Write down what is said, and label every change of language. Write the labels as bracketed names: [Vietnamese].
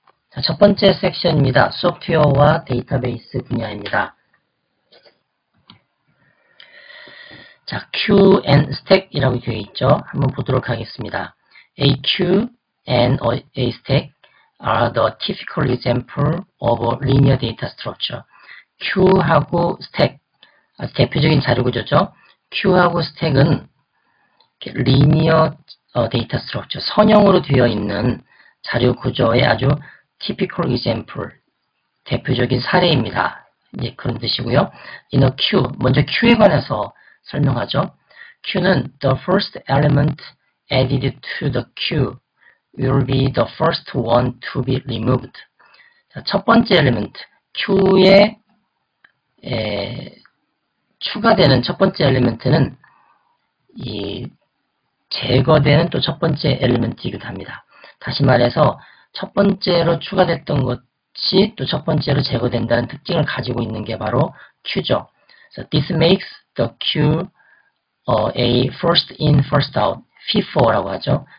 [Korean] 자, 첫 번째 섹션입니다. 소프트웨어와 데이터베이스 분야입니다. 자, Q and Stack이라고 되어 있죠. 한번 보도록 하겠습니다. [English] A queue and a stack are the typical example of a linear data structure. [Korean] Q하고 Stack, 아주 대표적인 자료 구조죠. Q하고 Stack은 [English] linear data structure, [Korean] 선형으로 되어 있는 자료 구조의 아주 [English] typical example, [Korean] 대표적인 사례입니다. 이제 그런 뜻이고요. [English] In a queue, [Korean] 먼저 Q에 관해서 설명하죠. [English] Q는 the first element added to the queue will be the first one to be removed. [Korean] 자, 첫 번째 element, Q에 추가되는 첫 번째 element는 이 제거되는 또첫 번째 element이기도 합니다. 다시 말해서 첫 번째로 추가됐던 것이 또첫 번째로 제거된다는 특징을 가지고 있는 게 바로 Q죠. [English] So, this makes the queue a first in, first out, FIFO라고 하죠.